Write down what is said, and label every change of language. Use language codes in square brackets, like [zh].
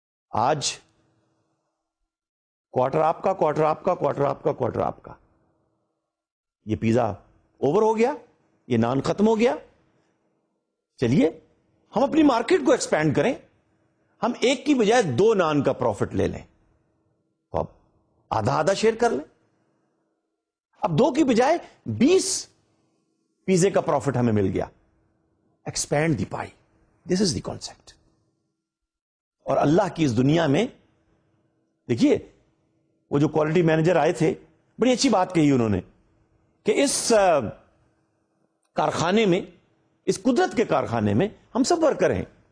[ur] آج کوارٹر آپ کا, کوارٹر آپ کا, کوارٹر آپ کا, کوارٹر آپ کا, یہ پیزا اوور ہو گیا, یہ نان ختم ہو گیا. چلیے ہم اپنی مارکیٹ کو ایکسپینڈ کریں, ہم ایک کی بجائے دو نان کا پروفٹ لے لیں, اب آدھا آدھا شیئر کر لیں. اب دو کی بجائے 20 پیزے کا پروفٹ ہمیں مل گیا. [en] Expand the pie, this is the concept. [ur] اور اللہ کی اس دنیا میں دیکھیے, وہ جو کوالٹی مینیجر آئے تھے بڑی اچھی بات کہی انہوں نے کہ اس کارخانے میں, اس قدرت کے کارخانے میں ہم سب ورکر ہیں